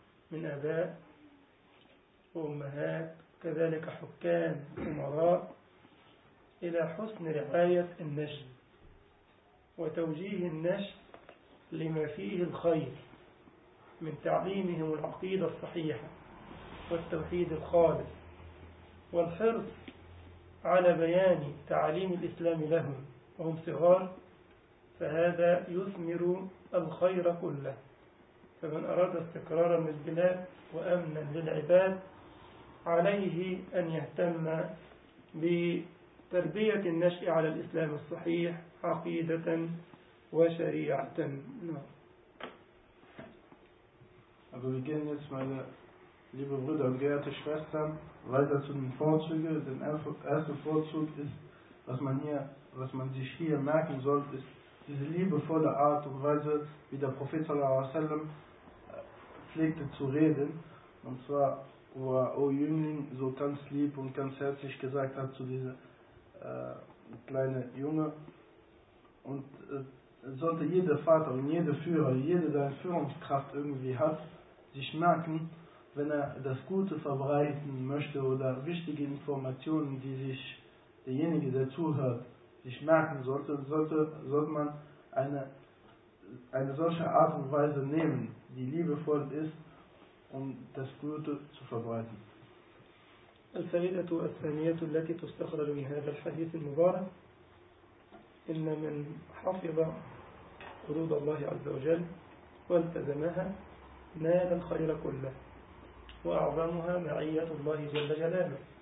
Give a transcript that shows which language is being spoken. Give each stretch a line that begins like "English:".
Arabic: من آباء وأمهات، كذلك حكام أمراء، إلى حسن رعاية النجم وتوجيه النجم لما فيه الخير من تعليمهم العقيدة الصحيحة والتوحيد الخالص، والحرص على بيان تعاليم الإسلام لهم وهم صغار، فهذا يثمر الخير كله. فمن أراد استقرارا للبلاد وأمنا للعباد عليه أن يهتم بتربية النشأ على الإسلام الصحيح عقيدة وشريعة.
German: Also wir gehen jetzt, meine liebe Brüder und geehrte Schwestern, weiter zu den Vorzügen. Der erste Vorzug ist, was man sich hier merken soll, ist diese liebevolle Art und Weise, wie der Prophet sallallahu alaihi wasallam pflegte zu reden. Und zwar, wo er, o Jüngling, so ganz lieb und ganz herzlich gesagt hat zu dieser kleinen Junge. Und sollte jeder Vater und jeder Führer, jede deine Führungskraft irgendwie hat, sich merken, wenn er das Gute verbreiten möchte oder wichtige Informationen, die sich derjenige, der zuhört, sich merken sollte, sollte man eine solche Art und Weise nehmen, die liebevoll ist, um das Gute zu verbreiten.
Arabic: الفائدة الثانية التي تستخرج من هذا الحديث المبارك إن من حفظ حدود الله عز وجل والتزمها نال الخير كله، وأعظمها معية الله جل جلاله.